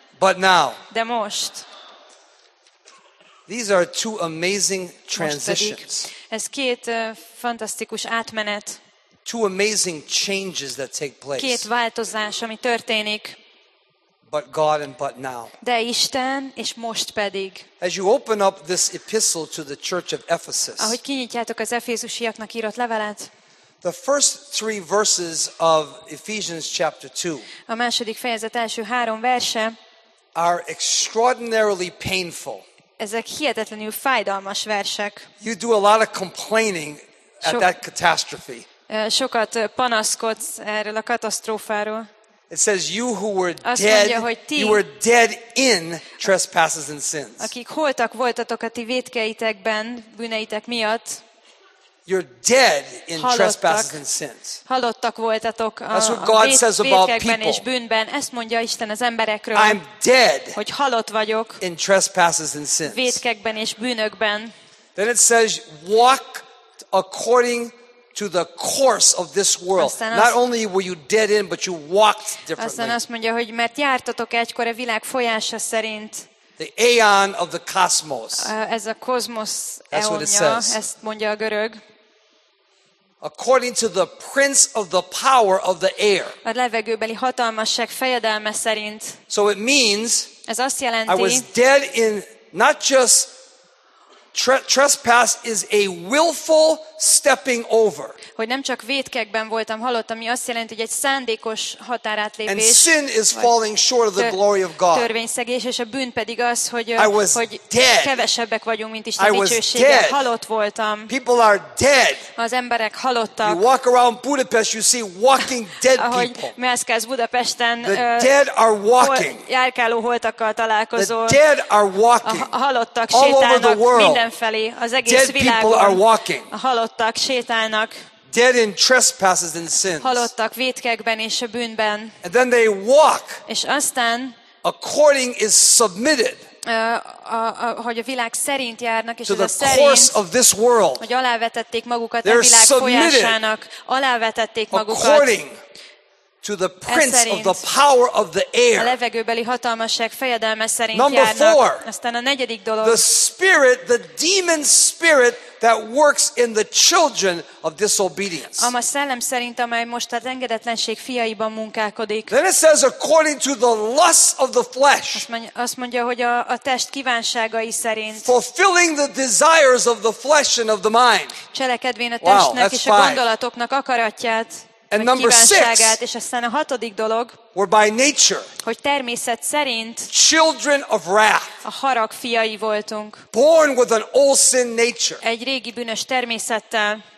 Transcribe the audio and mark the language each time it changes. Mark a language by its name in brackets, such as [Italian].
[English] But now. [Hungarian] De most. [English] These are two amazing transitions. [Hungarian] Ez két fantasztikus átmenet. [English] Two amazing changes that take place. [Hungarian] Két változás, ami történik. [English] But God and but now. [Hungarian] De Isten és most pedig. [English] As you open up this epistle to the church of Ephesus. [Hungarian] Ahogy kinyitjátok az efézusiaknak írott levelet. [English] The first three verses of Ephesians chapter 2. [Hungarian] A második fejezet első három verse. [English] Are extraordinarily painful. [Hungarian] Ezek hihetetlenül fájdalmas versek. [English] You do a lot of complaining at that catastrophe. [Hungarian] Sokat panaszkodsz erről a katasztrófáról. [English] It says you who were [Hungarian] azt [English] dead, [Hungarian] mondja, ti, [English] you were dead in trespasses and sins. [Hungarian] Akik holtak voltatok a ti vétkeitekben, bűneitek miatt. [English] You're dead in trespasses and sins. [Hungarian] Halottak voltatok a vétkekben és bűnben. Ezt mondja Isten az emberekről. [English] I'm dead. [Hungarian] Hogy halott vagyok. [English] In trespasses and sins. [Hungarian] Vétkekben és bűnökben. [English] Then it says walk according to the course of this world. Not only were you dead in, but you walked differently. [Hungarian] Aztán azt mondja, hogy mert jártatok egykor a világ folyása szerint. [English] The aeon of the cosmos. [Hungarian] Ez a kozmosz eonja, ezt mondja a görög. [English] According to the prince of the power of the air. [Hungarian] A levegőbeli hatalmasság fejedelme szerint. [English] So it means, [Hungarian] ez azt jelenti, [English] I was dead in, not just trespass is a willful stepping over. [Hungarian] Hogy nem csak vétkekben voltam halott, ami azt jelenti, hogy egy szándékos határátlépés. [English] And sin is falling short of the glory of God. [Hungarian] Törvényszegés, és a bűn pedig az, hogy kevesebbek vagyunk, mint Isten dicsősége. Halott voltam. [English] People are dead. [Hungarian] Az emberek halottak. [English] You walk around Budapest, you see walking dead people. [Hungarian] Ahogy mászkálsz Budapesten, [English] the dead are walking. [Hungarian] Járkáló holtakkal találkozol. [English] The dead are walking. [Hungarian] A halottak sétálnak mindenfelé, az egész [English] dead [Hungarian] világon. [English] People are walking. [Hungarian] A halottak sétálnak. [English] Dead in trespasses and sins. [Hungarian] Halottak vétkekben és a bűnben. [English] And then they walk. [Hungarian] És aztán [English] according is submitted. [Hungarian] Hogy a világ szerint járnak és [English] to [Hungarian] ez a szerint. [English] Of this world. [Hungarian] Hogy alávetették magukat a világ folyásának. Alávetették magukat. [English] According to the prince of the power of the air. [Hungarian] A levegőbeli hatalmasság fejedelme szerint [English] number [Hungarian] járnak. [English] Four, [Hungarian] aztán a negyedik dolog. [English] The spirit, the demon spirit that works in the children of disobedience. [Hungarian] Ama szellem szerint, amely most az engedetlenség fiaiban munkálkodik. [English] Then it says according to the lusts of the flesh. [Hungarian] Azt mondja, hogy a test kívánságai szerint. [English] Fulfilling the desires of the flesh and of the mind. [Hungarian] Cselekedvén a testnek és a gondolatoknak akaratját. [English] And number six, [Hungarian] és aztán a hatodik dolog, [English] were by nature, [Hungarian] hogy természet szerint, [English] children of wrath, [Hungarian] a harag fiai voltunk, [English] born with an old sin nature, [Hungarian] egy régi bűnös természettel.